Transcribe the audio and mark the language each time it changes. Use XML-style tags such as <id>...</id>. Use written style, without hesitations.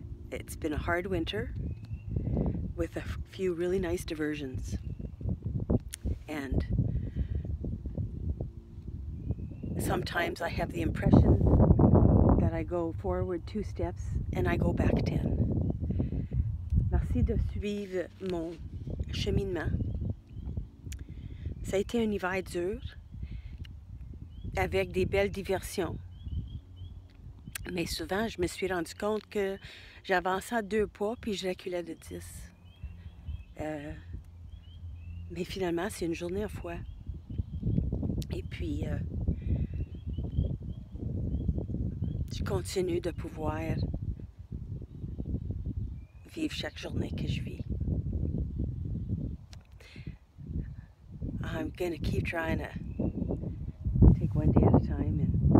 <en>It's been a hard winter with a few really nice diversions. And sometimes I have the impression that I go forward 2 steps and I go back 10.</en> <fr>Merci de suivre mon cheminement. Ça a été un hiver dur avec des belles diversions. Mais souvent, je me suis rendu compte que j'avançais 2 pas puis je reculais de 10. Mais finalement, c'est une journée à fois. Et puis, je continue de pouvoir vivre chaque journée que je vis.</fr> <en>I'm gonna keep trying to take one day at a time and</en>